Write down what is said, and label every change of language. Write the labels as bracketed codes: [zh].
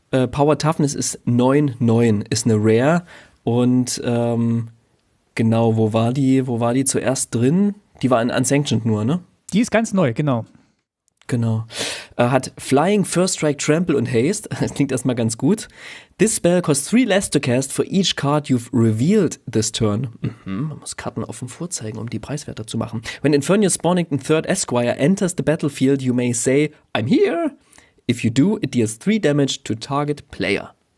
[de] Power Toughness ist 9/9, ist eine Rare. Und genau, wo war die zuerst drin? Die war in Unsanctioned nur, ne? Die ist ganz neu, genau. Genau. Hat Flying, First Strike, Trample und Haste. Das klingt erstmal ganz gut. [en] This spell costs 3 less to cast for each card you've revealed this turn. [de] Man muss Karten offen vorzeigen, um die preiswerter zu machen. [en] When Infernius Spawnington III Esquire enters the battlefield, you may say, I'm here. If you do, it deals 3 damage to target player.